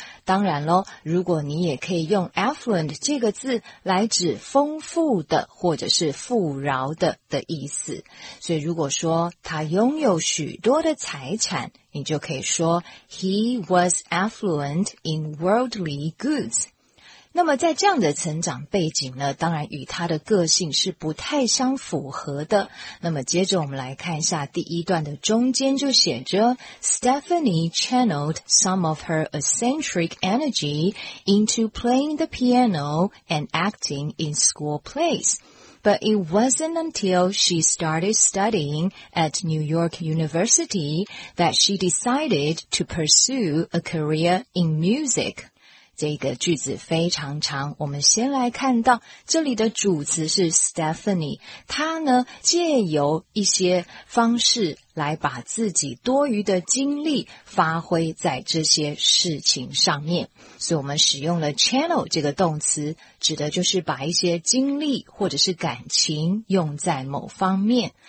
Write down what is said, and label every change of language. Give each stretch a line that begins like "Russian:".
Chinese: 当然咯，如果你也可以用 affluent 这个字来指丰富的或者是富饶的的意思。所以如果说他拥有许多的财产，你就可以说
English: He was affluent in worldly goods。
Chinese: 那么在这样的成长背景呢，当然与他的个性是不太相符合的。那么接着我们来看一下第一段的中间，就写着
English: Stephanie channeled some of her eccentric energy into playing the piano and acting in school plays. But it wasn't until she started studying at New York University that she decided to pursue a career in music.
Chinese: 这个句子非常长，我们先来看到这里的主词是 Stephanie， 她呢借由一些方式来把自己多余的精力发挥在这些事情上面，所以我们使用了 channel 这个动词，指的就是把一些精力或者是感情用在某方面。